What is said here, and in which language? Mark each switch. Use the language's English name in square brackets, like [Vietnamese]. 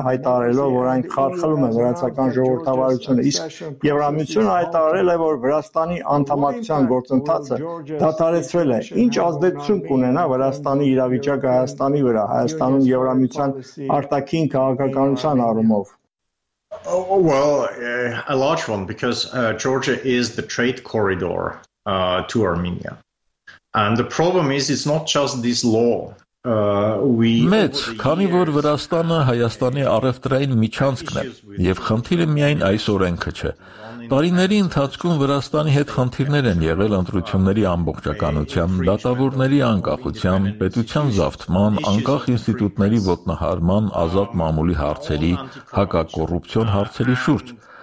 [Armenian] հայտարարելով, որ այն խարխլում է վրացական ժողովրդավարությունը, իսկ Եվրամիությունը հայտարարել է, որ Վրաստանի անդամակցության գործընթացը դադարեցվել է։ Ինչ ազդեցություն կունենա Վրաստանի իրավիճակ Հայաստանի վրա, Հայաստանում Եվրամիության արտաքին քաղաքականության առումով։ [English] Well, a large one, because Georgia is the trade corridor to Armenia. And the problem is, it's not just this law. [Armenian] Մեծ, քանի որ Վրաստանը Հայաստանի առևտրային միջանցքն է, և խնդիրը միայն այս օրենքը չէ։ Տարիների ընթացքում Վրաստանի հետ խնդիրներ են եղել ընտրությունների ամբողջականության, դատավորների անկախության, պետության զավթման, անկախ ինստիտուտների ոտնահարման, ազատ մամուլի հարցերի, հակակոռուպցիոն հարցերի շուրջ։